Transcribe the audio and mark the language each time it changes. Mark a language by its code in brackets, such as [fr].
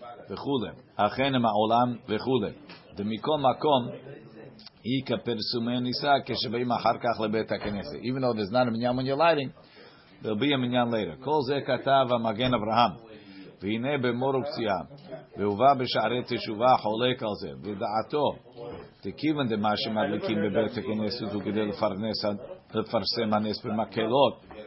[he] וכולי, אכן עם העולם וכולי. ומכל מקום, היא כפרסומי ניסה כשבאים אחר כך לבית הכנסת. [en] Even though there's not a minyan when you're lighting, there'll be a minyan later. [he] כל זה כתב המגן אברהם. והנה במור וקציעה, והובא בשערי תשובה חולק על זה. ודעתו, תקיוון דמה שמדליקים בבית הכנסת הוא כדי לפרסם הנס במקהלות.